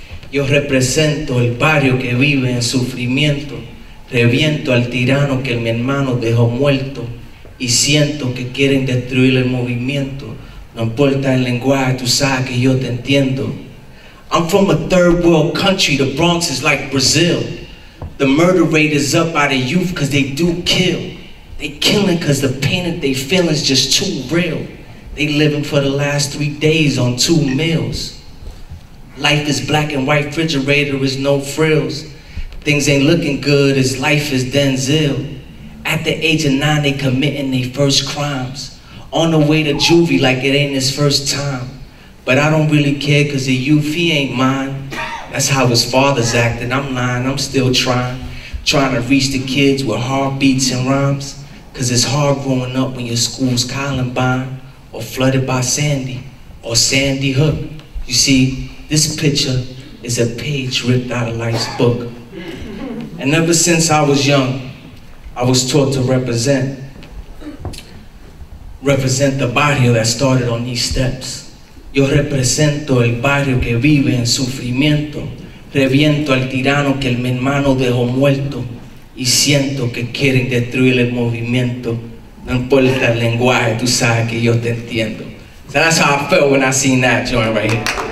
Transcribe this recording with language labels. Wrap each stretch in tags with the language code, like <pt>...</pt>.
<es>Yo represento el barrio que vive en sufrimiento. Reviento al tirano que mi hermano dejó muerto. Y siento que quieren destruir el movimiento. No importa el lenguaje, tú sabes que yo te entiendo.</es> <en>I'm from a third world country. The Bronx is like Brazil. The murder rate is up by the youth because they do kill. They killing cause the pain that they feel is just too real. They living for the last 3 days on 2 meals. Life is black and white, refrigerator is no frills. Things ain't looking good as life is Denzel. At the age of 9, they committing their first crimes. On the way to juvie like it ain't his first time. But I don't really care cause the youth, he ain't mine. That's how his father's acting, I'm lying, I'm still trying. Trying to reach the kids with heartbeats and rhymes. Cause it's hard growing up when your school's Columbine or flooded by Sandy or Sandy Hook. You see, this picture is a page ripped out of life's book. And ever since I was young, I was taught to represent the barrio that started on these steps.</en> <es>Yo represento el barrio que vive en sufrimiento. Reviento al tirano que mi hermano dejó muerto. y siento que quieren destruir el movimiento. No importa el lenguaje, tú sabes que yo te entiendo.</es> <en>So that's how I felt when I seen that joint right here.</en>